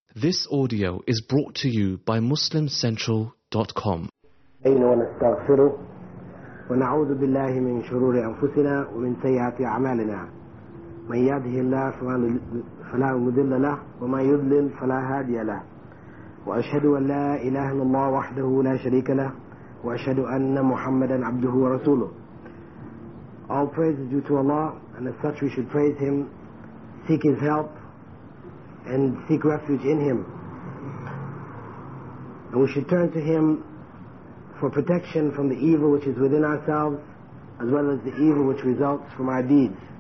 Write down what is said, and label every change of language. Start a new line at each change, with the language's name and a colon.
English: This audio is brought to you by MuslimCentral.com.
Arabic: أين نستغفره ونعوذ بالله من شرور أنفسنا ومن سيئات أعمالنا. من يهده الله فلا مضل له ومن يضلل فلا هادي له. وأشهد أن لا إله إلا الله وحده لا شريك له وأشهد أن محمدا عبده ورسوله.
English: All praise is due to Allah, and as such we should praise Him, seek His help, and seek refuge in Him. And we should turn to Him for protection from the evil which is within ourselves, as well as the evil which results from our deeds.